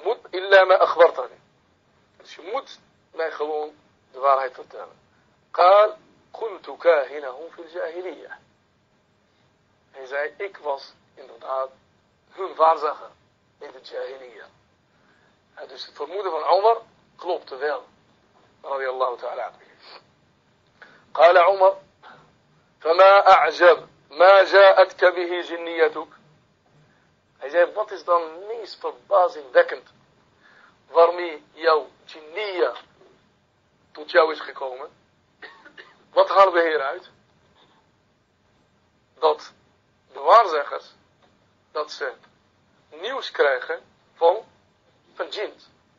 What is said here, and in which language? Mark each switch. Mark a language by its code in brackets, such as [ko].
[ar] Illa ma akhbartani. [nl] Dus je moet mij gewoon de waarheid vertellen. [ar] Qala. كنت كاهنهم في الجاهلية. [nl] Hij zei, ik was inderdaad hun waarzegger in de jahiliya. Dus het vermoeden van Omar klopte wel. [ar] Radiyallahu ta'ala. قال عمر فما أعجب ما جاءتك به جنيتك. [nl] Hij zei, wat is dan meest verbazingwekkend waarmee jouw jinniya tot jou is gekomen? Wat haalde de Heer uit? Dat de waarzeggers, dat ze nieuws krijgen van jins.